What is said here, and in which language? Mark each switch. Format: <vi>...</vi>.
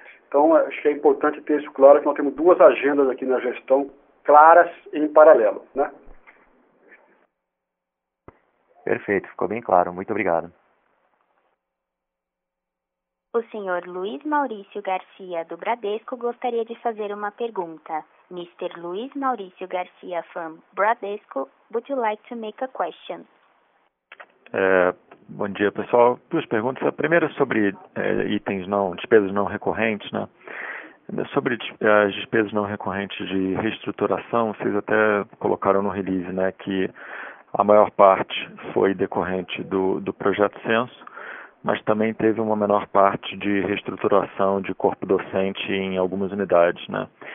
<pt>Então, acho que é importante ter isso claro, que nós temos duas agendas aqui na gestão claras e em paralelo, né? Perfeito, ficou bem claro. Muito obrigado. O senhor Luiz Maurício Garcia, do Bradesco, gostaria de fazer uma pergunta.</pt> <en>Mr. Luiz Maurício Garcia, from Bradesco, would you like to make a question?</en> <pt>Bom dia, pessoal. Duas perguntas. A primeira sobre itens não, despesas não recorrentes, né? Sobre as despesas não recorrentes de reestruturação, vocês até colocaram no release, né, que a maior parte foi decorrente do projeto Censo, mas também teve uma menor parte de reestruturação de corpo docente em algumas unidades, né?</pt>